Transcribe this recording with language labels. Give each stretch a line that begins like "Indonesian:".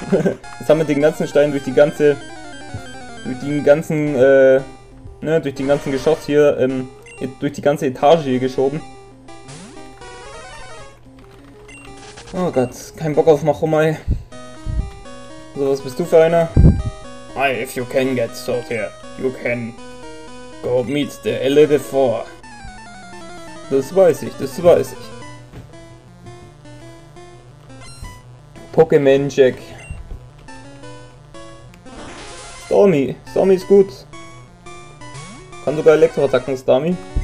German: Jetzt haben wir den ganzen Stein durch die ganze. Durch den ganzen. Durch den ganzen Geschoss hier. Durch die ganze Etage hier geschoben. Oh Gott, kein Bock auf Machomai. So, was bist du für einer?
English: If you can get sort here, you can go meet the elite four.
German: Das weiß ich, das weiß ich. Pokémon Jack. Stormy. Stormy ist gut. Kann sogar Elektroattacken, Stormy.